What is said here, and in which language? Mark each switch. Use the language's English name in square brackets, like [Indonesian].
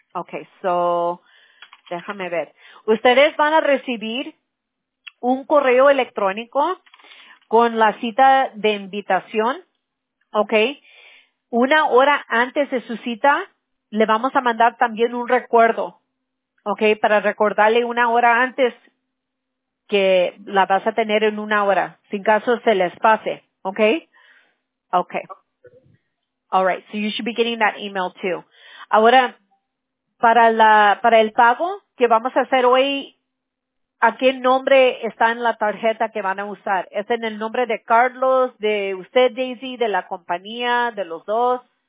[Spanish] Okay, so déjame ver. Ustedes van a recibir un correo electrónico con la cita de invitación, okay, una hora antes de su cita. Le vamos a mandar también un recuerdo, okay, para recordarle una hora antes que la vas a tener en una hora, sin caso se les pase, okay? [English] Okay. All right, so you should be getting that email too. [Spanish] Ahora, para el pago que vamos a hacer hoy, ¿a qué nombre está en la tarjeta que van a usar? ¿Es en el nombre de Carlos, de usted, Daisy, de la compañía, de los dos?